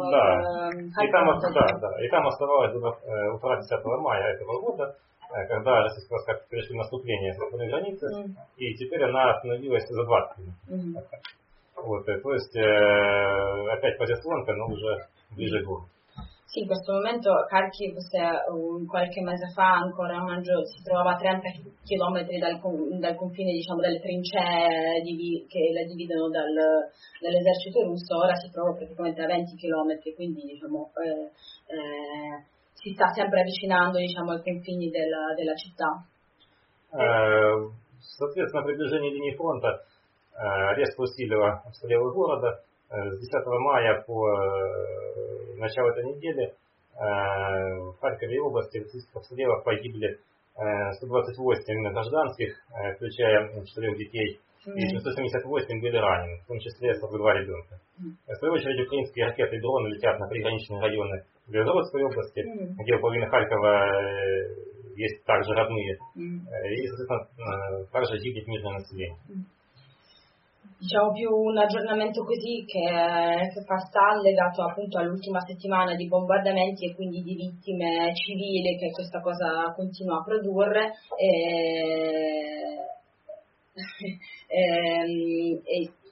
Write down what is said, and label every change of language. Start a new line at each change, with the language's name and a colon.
Russian: от города. Да, и там оставалось до утра 10 мая этого года, когда российские войска перешли в наступление с западной границы, и теперь она остановилась за 20 километров. То есть опять позиционка, но уже ближе к городу.
Italian: Sì, in questo momento Kharkiv, se qualche mese fa, ancora a maggio, si trovava a 30 km dal confine, diciamo, delle trincee che la dividono dall'esercito russo, ora si trova praticamente a 20 km, quindi diciamo, si sta sempre avvicinando, diciamo, ai confini della città.
Russian: Соответственно, приближение линии фронта резко усилило обстрелы города. С 10 мая по начало этой недели в Харькове и области российских обстрелов погибли 128 гражданских, включая 4 детей и 678 были ранены, в том числе 42 ребенка. В свою очередь, украинские ракеты и дроны летят на приграничные районы Белгородской области, где у половины Харькова есть также родные, и, соответственно, также гибнет мирное население.
Italian: Diciamo più un aggiornamento così che fa stare legato appunto all'ultima settimana di bombardamenti e quindi di vittime civili che questa cosa continua a produrre e